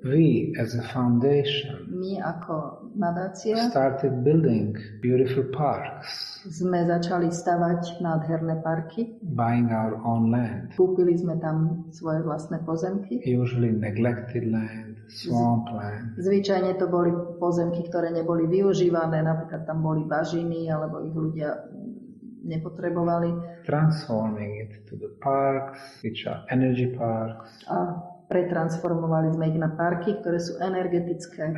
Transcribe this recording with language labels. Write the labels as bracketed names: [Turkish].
[English] We as a foundation. [Slovak] My ako nadácia. [English] Started building beautiful parks. [Slovak] Sme začali stavať nádherné parky. [English] Buying our own land. [Slovak] Kúpili sme tam svoje vlastné pozemky. [English] Usually neglected land, swamp land. [Slovak] Zvyčajne to boli pozemky, ktoré neboli využívané, napríklad tam boli bažiny alebo ich ľudia nepotrebovali. [English] Transforming it to the parks, which are energy parks. [Slovak] A pretransformovali sme ich na parky, ktoré sú energetické.